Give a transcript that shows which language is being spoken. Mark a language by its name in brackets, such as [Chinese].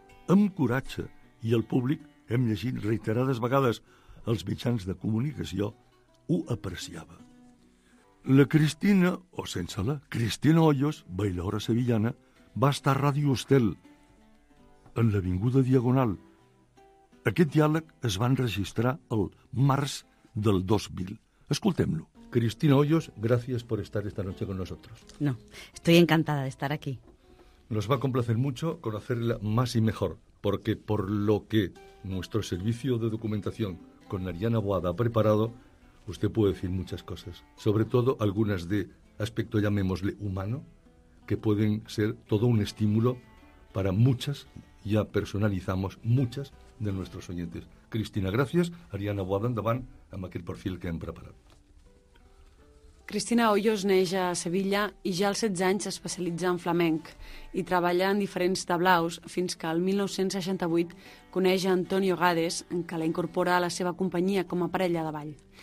[Catalan] Amb coratge, i el públic, hem llegit reiterades vegades els mitjans de comunicació, ho apreciava. La Cristina, o sense la, Cristina Hoyos, bailaora sevillana, va estar a Ràdio Estel, en l'Avinguda Diagonal. Aquest diàleg es va enregistrar el març del 2000. Escoltem-lo. [Spanish] Cristina Hoyos, gracias por estar esta noche con nosotros. No, estoy encantada de estar aquí. Nos va a complacer mucho conocerla más y mejor, porque por lo que nuestro servicio de documentación con Ariana Boada ha preparado, usted puede decir muchas cosas, sobre todo algunas de aspecto, llamémosle, humano, que pueden ser todo un estímulo para muchas, ya personalizamos muchas de nuestros oyentes. Cristina, gracias. [Catalan] Ariana Boada, endavant amb aquest perfil que hem preparat. Cristina Hoyos neix a Sevilla i ja als 16 anys s'especialitza en flamenc i treballa en diferents tablaus fins que el 1968 coneix Antonio Gades, que la incorpora a la seva companyia com a parella de ball.